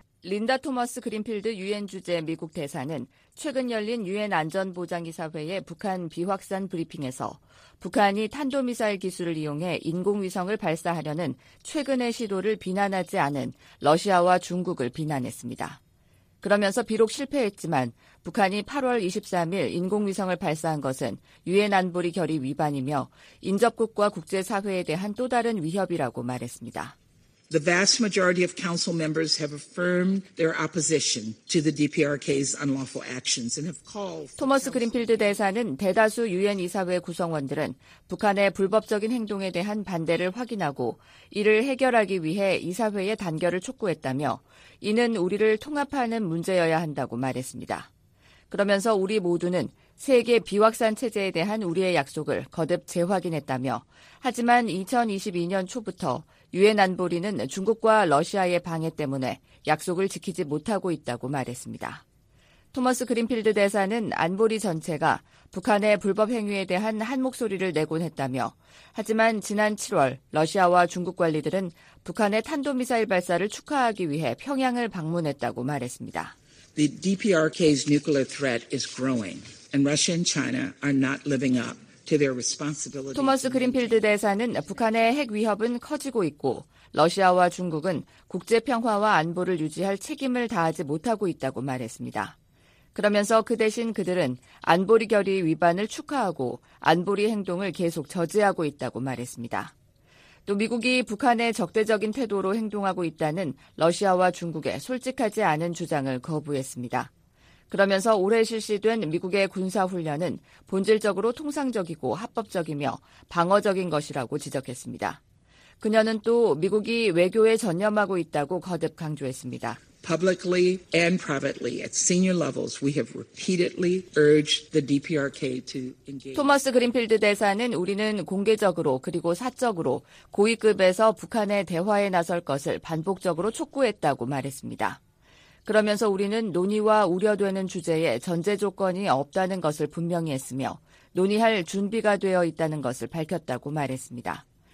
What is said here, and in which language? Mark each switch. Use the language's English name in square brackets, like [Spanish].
[Korean] 린다 토머스 그린필드 유엔 주재 미국 대사는 최근 열린 유엔 안전보장이사회의 북한 비확산 브리핑에서 북한이 탄도미사일 기술을 이용해 인공위성을 발사하려는 최근의 시도를 비난하지 않은 러시아와 중국을 비난했습니다. 그러면서 비록 실패했지만 북한이 8월 23일 인공위성을 발사한 것은 유엔 안보리 결의 위반이며 인접국과 국제사회에 대한 또 다른 위협이라고 말했습니다. [English] The vast majority of council members have affirmed their opposition to the DPRK's unlawful actions and have called for [Korean] 토머스 그린필드 대사는 대다수 유엔 이사회 구성원들은 북한의 불법적인 행동에 대한 반대를 확인하고 이를 해결하기 위해 이사회의 단결을 촉구했다며 이는 우리를 통합하는 문제여야 한다고 말했습니다. 그러면서 우리 모두는 세계 비확산 체제에 대한 우리의 약속을 거듭 재확인했다며 하지만 2022년 초부터 유엔 안보리는 중국과 러시아의 방해 때문에 약속을 지키지 못하고 있다고 말했습니다. 토머스 그린필드 대사는 안보리 전체가 북한의 불법 행위에 대한 한 목소리를 내곤 했다며 하지만 지난 7월 러시아와 중국 관리들은 북한의 탄도미사일 발사를 축하하기 위해 평양을 방문했다고 말했습니다. [English] The DPRK's nuclear threat is growing and Russia and China are not living up. [Korean] 토머스 그린필드 대사는 북한의 핵 위협은 커지고 있고 러시아와 중국은 국제평화와 안보를 유지할 책임을 다하지 못하고 있다고 말했습니다. 그러면서 그 대신 그들은 안보리 결의 위반을 축하하고 안보리 행동을 계속 저지하고 있다고 말했습니다. 또 미국이 북한의 적대적인 태도로 행동하고 있다는 러시아와 중국의 솔직하지 않은 주장을 거부했습니다. 그러면서 올해 실시된 미국의 군사훈련은 본질적으로 통상적이고 합법적이며 방어적인 것이라고 지적했습니다. 그녀는 또 미국이 외교에 전념하고 있다고 거듭 강조했습니다. [English] Publicly and privately at senior levels, we have repeatedly urged the DPRK to engage. [Korean] 토머스 그린필드 대사는 우리는 공개적으로 그리고 사적으로 고위급에서 북한의 대화에 나설 것을 반복적으로 촉구했다고 말했습니다. 그러면서 우리는 논의와 우려되는 주제에 전제 조건이 없다는 것을 분명히 했으며 논의할 준비가 되어 있다는 것을 밝혔다고 말했습니다.